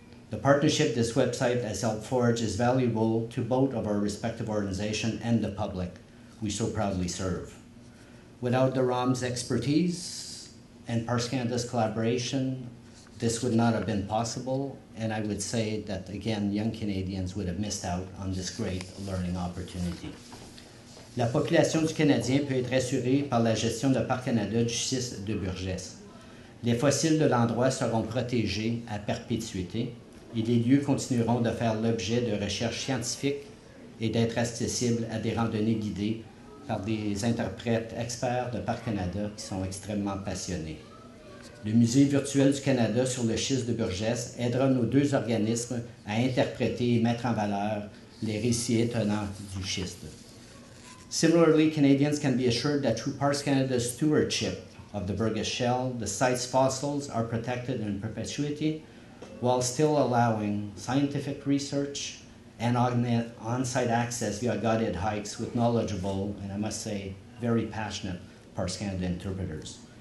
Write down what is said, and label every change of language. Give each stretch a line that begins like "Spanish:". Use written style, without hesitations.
English: The partnership this website has helped forge is valuable to both of our respective organizations and the public we so proudly serve. Without the ROM's expertise and Parks Canada's collaboration, this would not have been possible, and I would say that, again, young Canadians would have missed out on this great learning opportunity.
French: La population du Canadien peut être assurée par la gestion de Parc Canada du site de Burgess. Les fossiles de l'endroit seront protégés à perpétuité, et les lieux continueront de faire l'objet de recherches scientifiques et d'être accessibles à des randonnées guidées par des interprètes experts de Parc Canada qui sont extrêmement passionnés. Le Musée virtuel du Canada sur le schiste de Burgess aidera nos deux organismes à interpréter et mettre en valeur les récits étonnants du schiste.
English: Similarly, Canadians can be assured that through Parks Canada's stewardship of the Burgess Shale, the site's fossils are protected in perpetuity while still allowing scientific research and on-site access via guided hikes with knowledgeable, and I must say, very passionate Parks Canada interpreters.